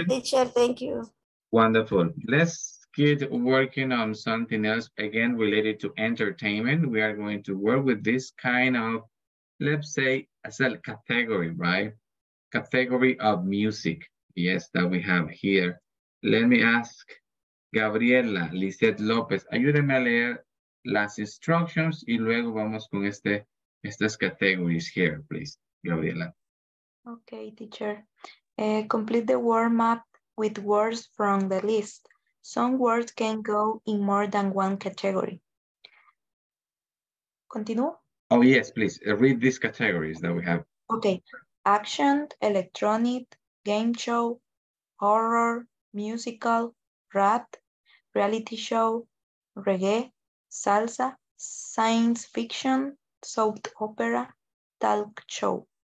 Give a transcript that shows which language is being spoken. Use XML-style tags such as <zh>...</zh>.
<en>Thank you, teacher. Thank you. Wonderful. Let's get working on something else again related to entertainment. We are going to work with this kind of, let's say, as a category, right? Category of music, yes, that we have here. Let me ask</en> <es>Gabriela, Lizeth López, ayúdeme a leer las instructions y luego vamos con estas categories</es> <en>here, please,</en> <es>Gabriela.</es> <en>Okay, teacher. Complete the warm-up with words from the list. Some words can go in more than one category. Continue. Oh, yes, please. Read these categories that we have. Okay. Action, electronic, game show, horror, musical, rap, reality show, reggae, salsa, science fiction, soap opera, talk show.</en>